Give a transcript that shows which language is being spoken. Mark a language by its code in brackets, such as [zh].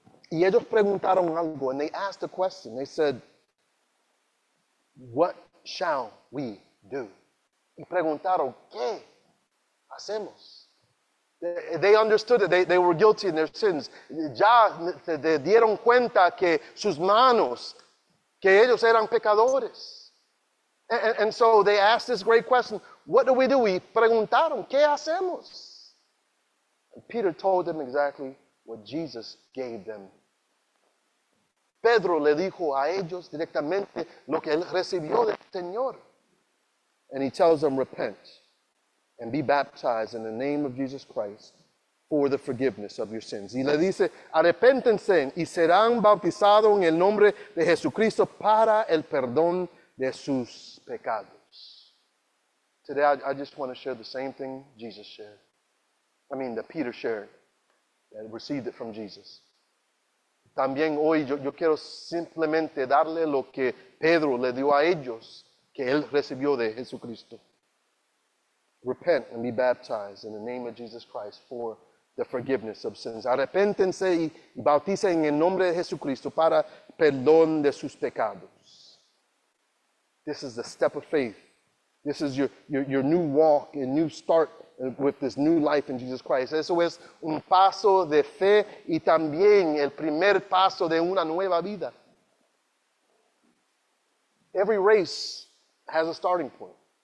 [es] Y ellos preguntaron algo, [en] and they asked a question. They said, what shall we do? [es] Y preguntaron, ¿qué hacemos? [en] They understood that they were guilty in their sins. [es] Ya se dieron cuenta que sus manos, que ellos eran pecadores. [en] And so they asked this great question, what do we do? [es] Y preguntaron, ¿qué hacemos? [en] And Peter told them exactly what Jesus gave them. [es] Pedro le dijo a ellos directamente lo que él recibió del Señor. [en] And he tells them, repent and be baptized in the name of Jesus Christ for the forgiveness of your sins. [es] Y le dice, arrepéntense y serán bautizados en el nombre de Jesucristo para el perdón de sus pecados. [en] Today, I just want to share the same thing Jesus shared. I mean, that Peter shared, that received it from Jesus. [es] También hoy yo quiero simplemente darle lo que Pedro le dio a ellos, que él recibió de Jesucristo. [en] Repent and be baptized in the name of Jesus Christ for the forgiveness of sins. [es] Arrepéntense y bautícense en el nombre de Jesucristo para perdón de sus pecados. [en] This is the step of faith. This is your new walk, a new start with this new life in Jesus Christ. [es] Eso es un paso de fe y también el primer paso de una nueva vida. [en] Every race has a starting point.